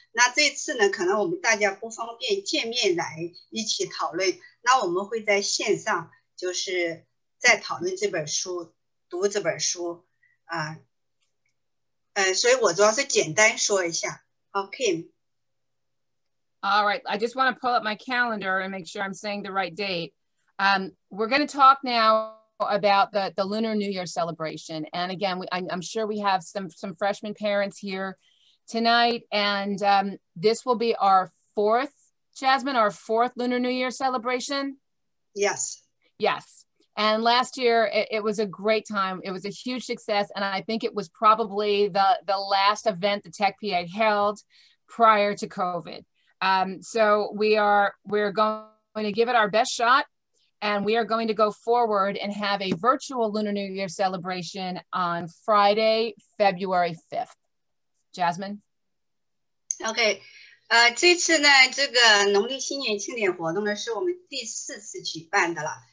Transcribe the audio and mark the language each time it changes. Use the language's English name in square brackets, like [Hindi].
[Chinese] 那这次呢，可能我们大家不方便见面来一起讨论，那我们会在线上，就是再讨论这本书，读这本书，所以我主要是简单说一下。好 ，Kim。 [English] All right, I just want to pull up my calendar and make sure I'm saying the right date. We're going to talk now about the Lunar New Year celebration. And again, I'm sure we have some freshman parents here tonight. And this will be our fourth, Jasmine, our fourth Lunar New Year celebration? Yes. Yes. And last year, it was a great time. It was a huge success. And I think it was probably the last event the Tech PA held prior to COVID. So we're going to give it our best shot. And we are going to go forward and have a virtual Lunar New Year celebration on Friday, February 5th. Jasmine? Okay. [Chinese] 这次呢，这个农历新年庆典活动呢，是我们第四次举办的了。